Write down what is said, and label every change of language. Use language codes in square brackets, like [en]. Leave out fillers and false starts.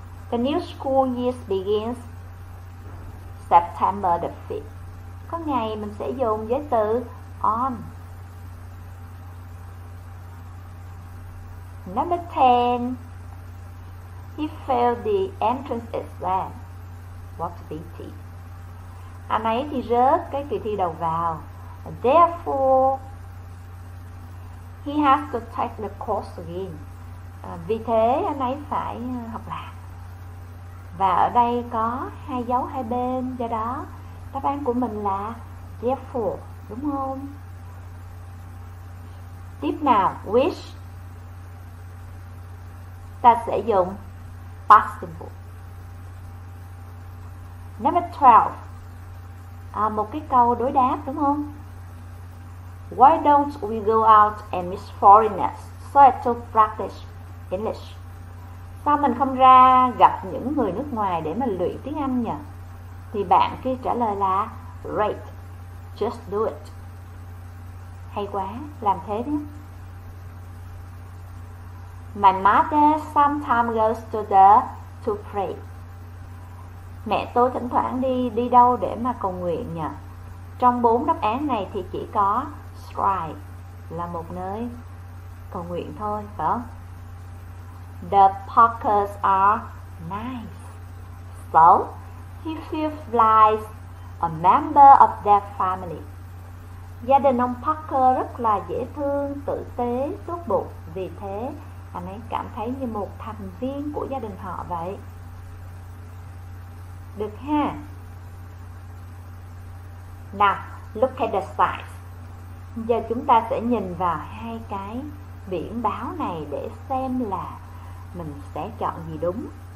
[en] The new school year begins September the 5th. [vi] Có ngày mình sẽ dùng giới từ on. [en] Number 10. He failed the entrance exam. What a pity. [vi] Anh ấy thì rớt cái kỳ thi đầu vào. [en] Therefore, he has to take the course again. [vi] Vì thế anh ấy phải học lại. Và ở đây có hai dấu hai bên, do đó đáp án của mình là therefore, đúng không? Tiếp nào, which ta sẽ dùng possible. Number 12, một cái câu đối đáp, đúng không? [en] Why don't we go out and meet foreigners so as to practice English? [vi] Sao mình không ra gặp những người nước ngoài để mà luyện tiếng Anh nhỉ? Thì bạn kia trả lời là [en] great, just do it. [vi] Hay quá, làm thế đi. [en] My mother sometimes goes to the to pray. [vi] Mẹ tôi thỉnh thoảng đi đâu để mà cầu nguyện nhỉ? Trong bốn đáp án này thì chỉ có shrine là một nơi cầu nguyện thôi, phải không? [en] The parkers are nice. So, he feels like a member of their family. [vi] Gia đình ông Parker rất là dễ thương, tử tế, tốt bụng. Vì thế, anh ấy cảm thấy như một thành viên của gia đình họ vậy. Được ha? [en] Now, look at the signs. [vi] Giờ chúng ta sẽ nhìn vào hai cái biển báo này để xem là mình sẽ chọn gì đúng.